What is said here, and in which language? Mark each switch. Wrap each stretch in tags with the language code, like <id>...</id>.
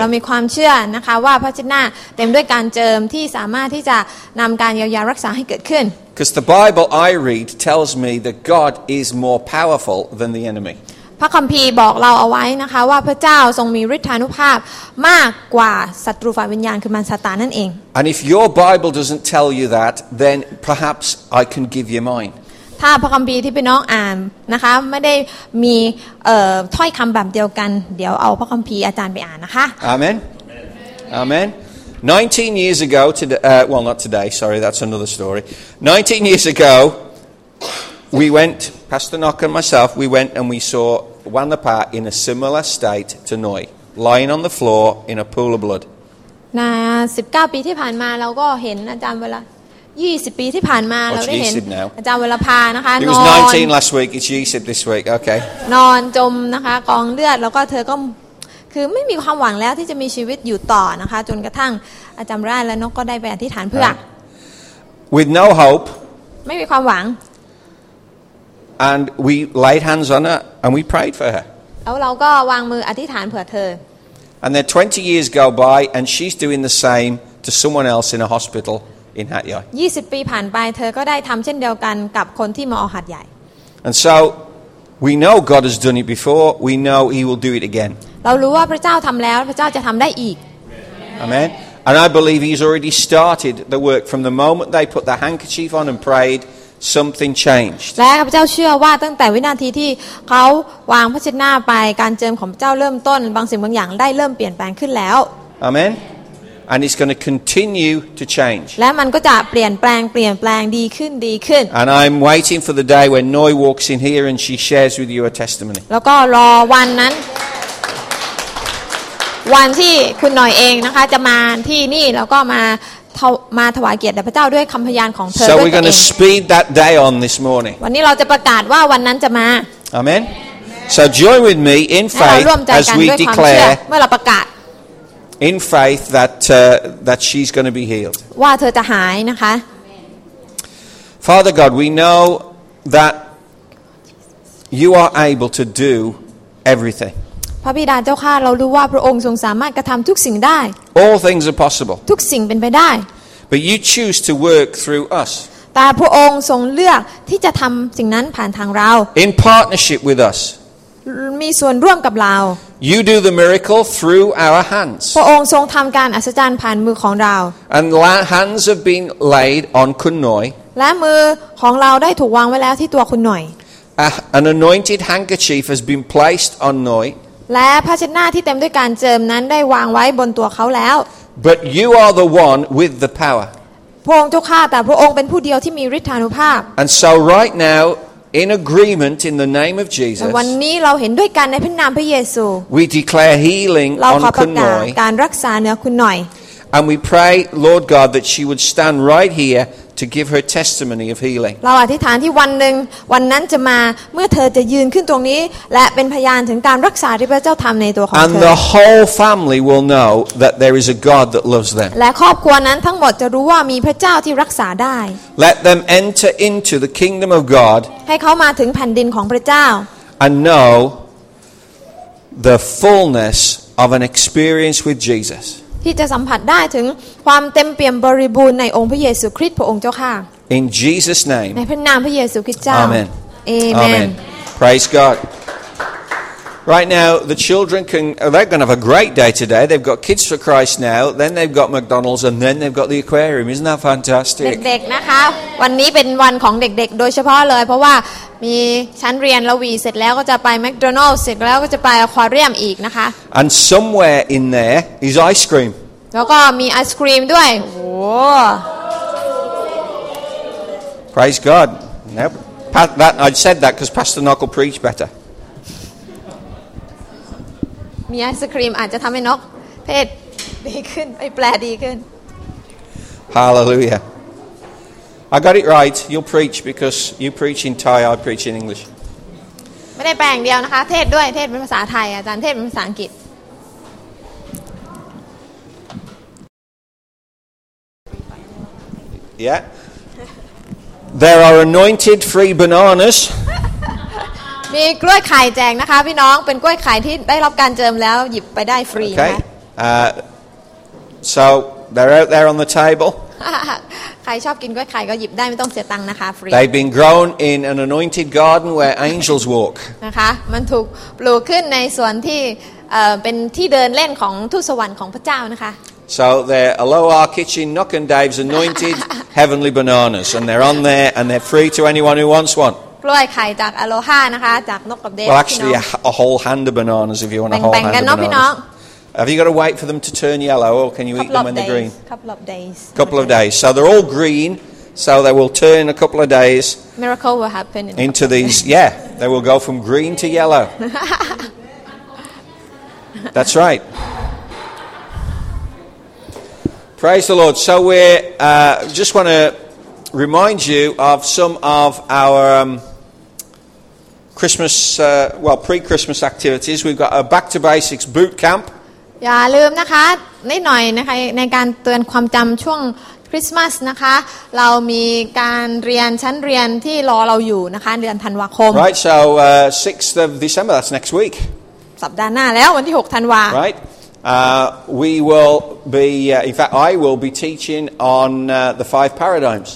<th>เรามีความเชื่อนะคะว่าพระเจ้าเต็มด้วยการเจิมที่สามารถที่จะนำการเยียวยารักษาให้เกิดขึ้น</th> <en>Because the Bible I read tells me that God is more powerful than the enemy.</en> <th>พระคัมภีร์บอกเราเอาไว้นะคะว่าพระเจ้าทรงมีฤทธานุภาพมากกว่าศัตรูฝ่ายวิญญาณคือมารซาตานนั่นเอง</th> <en>And if your Bible doesn't tell you that, then perhaps I can give you mine.</en> <th>ถ้าพระคัมภีร์ที่พี่น้องอ่านนะคะไม่ได้มีถ้อยคำแบบเดียวกันเดี๋ยวเอาพระคัมภีร์อาจารย์ไปอ่านนะคะ</th> <en>อาเมนอาเมน19 years ago today well not today sorry that's another story 19 years ago we went Pastor Nock and myself we went and we saw Wanapa in a similar state to Noi lying on the floor in a pool of blood</en> <th>นะ19ปีที่ผ่านมาเราก็เห็นอาจารย์เวลา20ปีที่ผ่านมาเราได้เห็นอาจารย์วรภานะคะนอน</th> <en>It was 19 last week it's 20 this week okay</en> <th>นอนจมนะคะกองเลือดแล้วก็เธอก็คือไม่มีความหวังแล้วที่จะมีชีวิตอยู่ต่อนะคะจนกระทั่งอาจารย์ราชและนกก็ได้ไปอธิษฐานเพื่อ</th> <en>With no hope</en> <th>ไม่มีความหวัง</th> <en>And we laid hands on her and we prayed for her</en> <th>แล้วเราก็วางมืออธิษฐานเผื่อเธอ</th> <en>And then 20 years go by and she's doing the same to someone else in a hospital in Hat Yai</en> <th>20ปีผ่านไปเธอก็ได้ทําเช่นเดียวกันกับคนที่มอหัดใหญ่</th> <en>And so we know God has done it before we know he will do it again</en> <th>เรารู้ว่าพระเจ้าทําแล้วพระเจ้าจะทําได้อีก</th> <en>Amen And I believe he's already started the work from the moment they put the handkerchief on and prayed something changed.</en> <th>และข้าพเจ้าเชื่อว่าตั้งแต่วินาทีที่เขาวางพระชนม์หน้าไปการเจิมของเจ้าเริ่มต้นบางสิ่งบางอย่างได้เริ่มเปลี่ยนแปลงขึ้นแล้ว</th> <en>Amen. And it's going to continue to change.</en> <th>และมันก็จะเปลี่ยนแปลงเปลี่ยนแปลงดีขึ้นดีขึ้น</th> <en>And I'm waiting for the day when Noi walks in here and she shares with you a testimony.</en> <th>แล้วก็รอวันนั้นวันที่คุณหน่อยเองนะคะจะมาที่นี่แล้วก็มาถวายเกียรติแด่พระเจ้าด้วยคำพยานของเธอ</th> <en>So we're going to speed that day on this morning.</en> <th>วันนี้เราจะประกาศว่าวันนั้นจะมา</th> <en>Amen. So join with me in faith as we declare.</en> <th>เมื่อเราประกาศ</th> <en>In faith that she's going to be healed.</en> <th>ว่าเธอจะหายนะคะ</th> <en>Father God, we know that you are able to do everything.</en> <th>พระบิดาเจ้าข้าเรารู้ว่าพระองค์ทรงสามารถกระทำทุกสิ่งได้</th> <en>All things are possible</en> <th>ทุกสิ่งเป็นไปได้</th> <en>But you choose to work through us</en> <th>แต่พระองค์ทรงเลือกที่จะทำสิ่งนั้นผ่านทางเรา</th> <en>In partnership with us</en> <th>มีส่วนร่วมกับเรา</th> <en>You do the miracle through our hands</en> <th>พระองค์ทรงทำการอัศจรรย์ผ่านมือของเรา</th> <en>And hands have been laid on Khun Noi</en> <th>และมือของเราได้ถูกวางไว้แล้วที่ตัวคุณหน่อย</th> <en>An anointed handkerchief has been placed on Noi.</en> <th>และผ้าเช็ดหน้าที่เต็มด้วยการเจิมนั้นได้วางไว้บนตัวเขาแล้ว</th> <en>But you are the one with the power</en> <th>พระองค์เจ้าข้าแต่พระองค์เป็นผู้เดียวที่มีฤทธานุภาพ</th> <en>And so right now in agreement in the name of Jesus</en> <th>วันนี้เราเห็นด้วยกันในพระนามพระเยซู</th> <en>We declare healing on Khun Noi</en> <th>การรักษาเนื้อคุณหน่อย</th> <en>And we pray Lord God that she would stand right hereto give her testimony of healing.</en> <th>เราอธิษฐานที่วันนึงวันนั้นจะมาเมื่อเธอจะยืนขึ้นตรงนี้และเป็นพยานถึงการรักษาที่พระเจ้าทำในตัวของเธอ</th> <en>And the whole family will know that there is a God that loves them.</en> <th>และครอบครัวนั้นทั้งหมดจะรู้ว่ามีพระเจ้าที่รักษาได้</th> <en>Let them enter into the kingdom of God.</en> <th>ให้เขามาถึงแผ่นดินของพระเจ้า</th> <en>And know the fullness of an experience with Jesus.</en> <th>ที่จะสัมผัสได้ถึงความเต็มเปี่ยมบริบูรณ์ในองค์พระเยซูคริสต์พระองค์เจ้าค่ะ</th> <en>In Jesus name</en> <th>ในพระนามพระเยซูคริสต์เจ้า</th> <en>Amen. Amen Amen Praise God Right now the children can they're going to have a great day today they've got kids for Christ now then they've got McDonald's and then they've got the aquarium isn't that fantastic</en> <th>เด็กๆนะคะวันนี้เป็นวันของเด็กๆโดยเฉพาะเลยเพราะว่ามีชั้นเรียนแล้ววีเสร็จแล้วก็จะไป McDonald's เสร็จแล้วก็จะไปอควาเรียมอีกนะคะ</th> <en>And somewhere in there is ice cream</en> <th>แล้วก็มีไอศกรีมด้วยโ</th> <en>อ้ Praise God Now Pat that I said that cuz Pastor Nock will preach better</en> <th>มีไอศกรีมอาจจะทำให้นกเพศดีขึ้นไปแปลดีขึ้น</th> <en>HallelujahI got it right. You'll preach because you preach in Thai, I preach in English.</en> <th>ไม่ได้แปลอย่างเดียวนะคะเทศด้วยเทศเป็นภาษาไทยอาจารย์เทศเป็นภาษาอังกฤษ</th> <en>Yeah. There are anointed free bananas.</en> <th>มีกล้วยไข่แจกนะคะพี่น้องเป็นกล้วยไข่ที่ได้รับการเจิมแล้วหยิบไปได้ฟรีนะคะ</th> <en>Okay. So they're out there on the table.</en> <th>ใครชอบกินกล้วยไข่ก็หยิบได้ไม่ต้องเสียตังค์นะคะฟรี</th> <en>They've been grown in an anointed garden where angels walk</en> <th>นะคะมันถูกปลูกขึ้นในสวนที่เป็นที่เดินเล่นของทูตสวรรค์ของพระเจ้านะคะ</th> <en>So they're Aloha Kitchen Nock and Dave's anointed heavenly bananas and they're on there and they're free to anyone who wants one</en> <th>กล้วยไข่จาก Aloha นะคะจากนกกับเดฟ</th> <en>Well actually a whole hand of bananas if you want a whole hand of bananas</en> <th>แบ่งกันเนาะพี่น้อง</th> <en>Have you got to wait for them to turn yellow, or can you eat them when they're green? Couple of days. Couple of days. So they're all green, so they will turn in a couple of days. Miracle will happen. Into these, yeah, they will go from green to yellow. That's right. Praise the Lord. So we just want to remind you of some of our Christmas, pre-Christmas activities. We've got a Back to Basics boot camp.</en> <th>อย่าลืมนะคะนิดหน่อยนะคะในการเตือนความจำช่วงคริสต์มาสนะคะเรามีการเรียนชั้นเรียนที่รอเราอยู่นะคะเดือนธันวาคม</th> <en>Right so 6th of December that's next week</en> <th>สัปดาห์หน้าแล้ววันที่6ธันวา</th> <en>Right we will be in fact I will be teaching on the five paradigms</en>